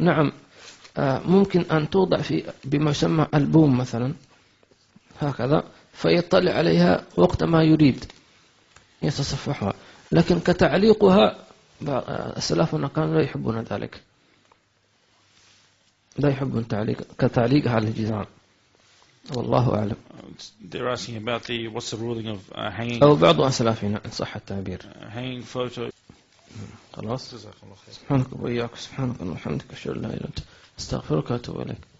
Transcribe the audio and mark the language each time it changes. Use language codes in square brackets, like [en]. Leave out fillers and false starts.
[ar] نعم ممكن أن توضع في بما يسمى ألبوم مثلا هكذا، فيطلع عليها وقت ما يريد يتصفحها، لكن كتعليقها السلفنا كانوا لا يحبون ذلك، لا يحبون تعليق كتعليقها على الجدران، والله أعلم. [en] They're asking about the what's the ruling of hanging. [ar] أو بعض السلفين إن صح التعبير. [en] Hanging photo. [ar] خلاص. سبحانك وبحمدك، سبحانك وبحمدك، أشهد أن لا إله إلا أنت، أستغفرك وأتوب إليك.